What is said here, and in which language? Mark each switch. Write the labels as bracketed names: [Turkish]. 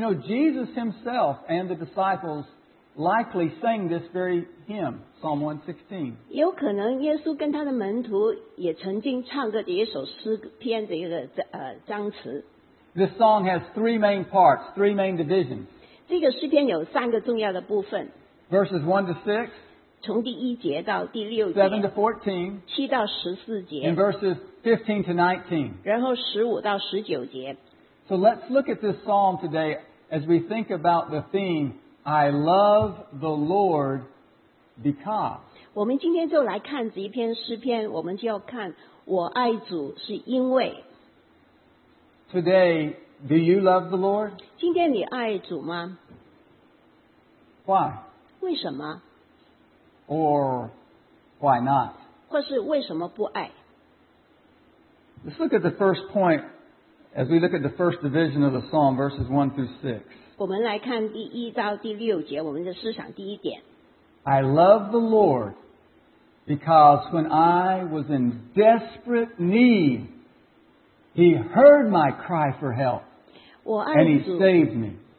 [English] know, Jesus himself and the disciples likely sang this very hymn, Psalm 116. [Chinese] 有可能耶稣跟他的门徒也曾经唱过这一首诗篇的一个章词。 [English] This song has three main parts, three main divisions. [Chinese] 这个诗篇有三个重要的部分。 [English] Verses 1 to 6. [Chinese] 从第一节到第六节。 [English] 7 to 14. [Chinese] 7到14节。 [English] And verses 15 to 19. [Chinese] 然后15到19节。 [English] So let's look at this psalm today as we think about the theme, I love the Lord because. [Chinese] 我们今天就来看这一篇诗篇，我们就要看我爱主是因为。 [English] Today, Do you love the Lord? [Chinese] 今天你爱主吗? [English] Why? [Chinese] 为什么? [English] Or why not? [Chinese] 或是为什么不爱? [English] Let's look at the first point as we look at the first division of the psalm, verses 1 through 6. [Chinese] 我们来看第一到第六节, 我们的思想第一点。 [English] I love the Lord because when I was in desperate need, He heard my cry for help, and He saved me.